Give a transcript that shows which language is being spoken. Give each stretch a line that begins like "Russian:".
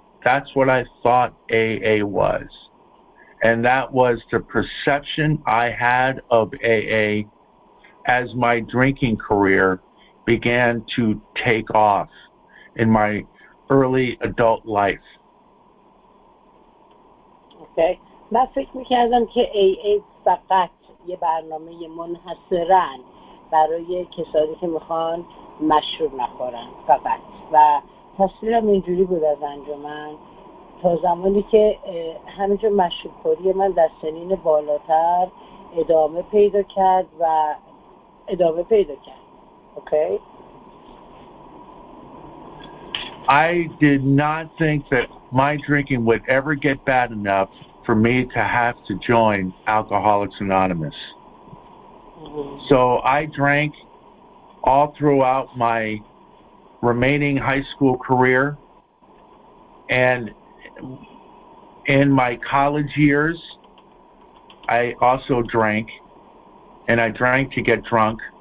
English: That's what I thought AA was. And that was the perception I had of AA as my drinking career began to take off in my early adult life. Okay.
Persian: من فکر میکردم که AA فقط یه برنامه منحصرن برای کسایی که میخوان مشروب نخورن فقط. و تصویرم اینجوری بود از انجمن. تا زمانی که همینجا مشروب‌خوری من در سنین بالاتر ادامه پیدا کرد و ادامه پیدا کرد. اوکی.
English: I did not think that my drinking would ever get bad enough for me to have to join Alcoholics Anonymous. So I drank all throughout my remaining high school career and in my college years, I also drank, and I drank to get drunk.